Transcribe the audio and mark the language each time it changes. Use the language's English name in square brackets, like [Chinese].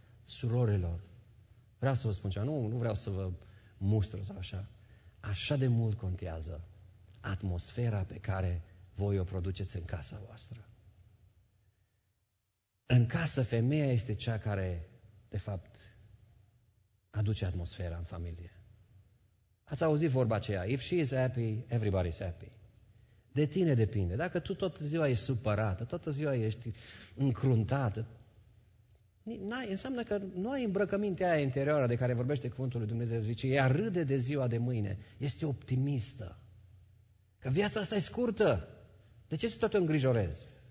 [Romanian] Surorilor, vreau să vă spun ceva, nu vreau să vă mustru sau așa. Așa de mult contează atmosfera pe care voi o produceți în casa voastră. În casă femeia este cea care... de fapt, aduce atmosfera în familie. Ați auzit vorba aceea, [English] if she is happy, everybody is happy. [Romanian] De tine depinde. Dacă tu toată ziua ești supărată, toată ziua ești încruntată, înseamnă că nu ai îmbrăcămintea aia interioară de care vorbește Cuvântul lui Dumnezeu. Zice, ea râde de ziua de mâine, este optimistă. Că viața asta e scurtă. De ce să tot îngrijorezi?